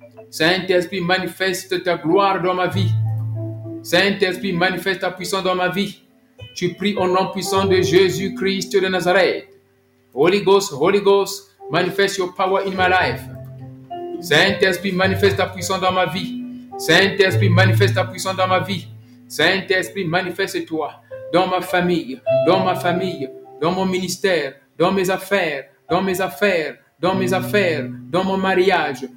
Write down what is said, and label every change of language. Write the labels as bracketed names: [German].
[French] Saint-Esprit manifeste ta gloire dans ma vie. Saint-Esprit manifeste ta puissance dans ma vie. Tu pries au nom puissant de Jésus Christ de Nazareth. [English] Holy Ghost, manifeste your power in my life. [French] Saint-Esprit manifeste ta puissance dans ma vie. Saint-Esprit manifeste ta puissance dans ma vie. Saint-Esprit, manifeste-toi dans ma famille, dans mon ministère, dans mes affaires, dans mes affaires, dans mes affaires, dans mon mariage.